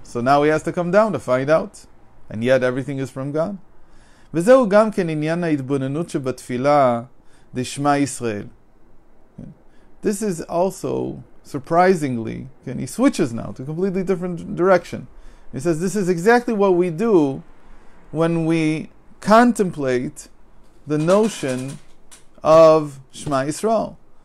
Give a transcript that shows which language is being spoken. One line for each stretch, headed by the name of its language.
English: So now he has to come down to find out. And yet everything is from God.
Hebrew: וזהו גם כן עניין ההתבוננות שבתפילה דשמע ישראל.
English: This is also, surprisingly, and he switches now to a completely different direction. He says, this is exactly what we do when we contemplate the notion of Shema Yisrael.